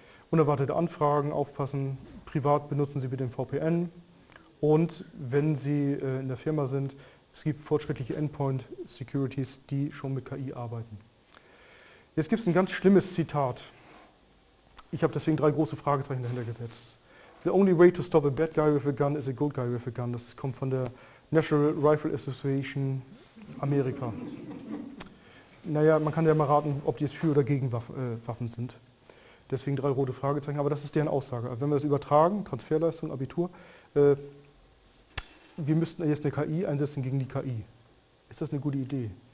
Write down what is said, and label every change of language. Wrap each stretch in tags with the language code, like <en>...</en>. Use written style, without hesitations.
<de>Unerwartete Anfragen, aufpassen, privat benutzen Sie bitte den VPN. Und wenn Sie in der Firma sind, es gibt fortschrittliche Endpoint-Securities, die schon mit KI arbeiten. Jetzt gibt es ein ganz schlimmes Zitat. Ich habe deswegen drei große Fragezeichen dahinter gesetzt.</de> <en>The only way to stop a bad guy with a gun is a good guy with a gun.</en> <de>Das kommt von der National Rifle Association Amerika. Naja, man kann ja mal raten, ob die jetzt für oder gegen Waffen sind. Deswegen drei rote Fragezeichen. Aber das ist deren Aussage. Wenn wir das übertragen, Transferleistung, Abitur, wir müssten jetzt eine KI einsetzen gegen die KI. Ist das eine gute Idee?</de>